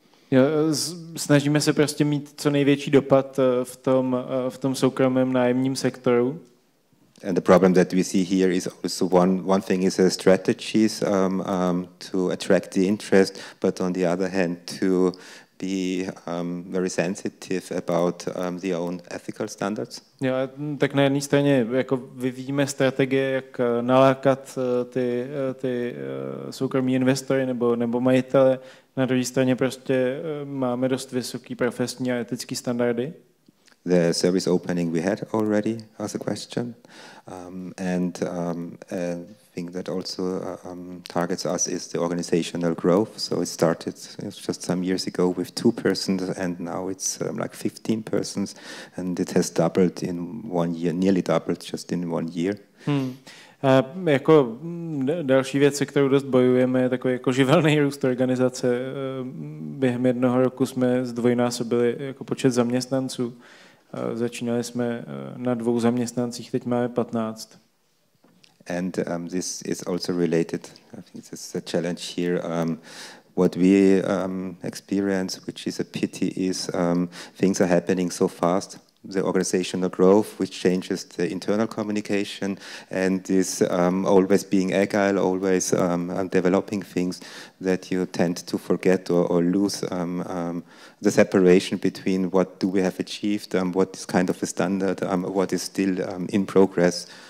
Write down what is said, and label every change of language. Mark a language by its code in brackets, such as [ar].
[cs] Jo, snažíme se prostě mít co největší dopad v tom soukromém nájemním sektoru. [en] And the problem that we see here is also one thing is strategies to attract the interest, but on the other hand to be very sensitive about the own ethical standards. [cs] Jo, tak na jedné straně jako vyvíjíme strategie, jak nalákat ty soukromí investory nebo majitele. Na druhé straně prostě máme dost vysoký profesní a etický standardy. [en] The service opening we had already as a question. A thing that also targets us is the organizational growth. So it started just some years ago with 2 persons and now it's like 15 persons and it has doubled in 1 year, nearly doubled just in 1 year. [cs] Jako další věc, se kterou dost bojujeme, je takový jako živelný růst organizace. Během jednoho roku jsme zdvojnásobili jako počet zaměstnanců. Začínali jsme na 2 zaměstnancích, teď máme 15. [en] And this is also related, I think this is a challenge here. What we experience, which is a pity, is things are happening so fast. the organizational growth, which changes the internal communication, and this always being agile, always developing things that you tend to forget or lose the separation between what do we have achieved, what is kind of a standard, what is still in progress.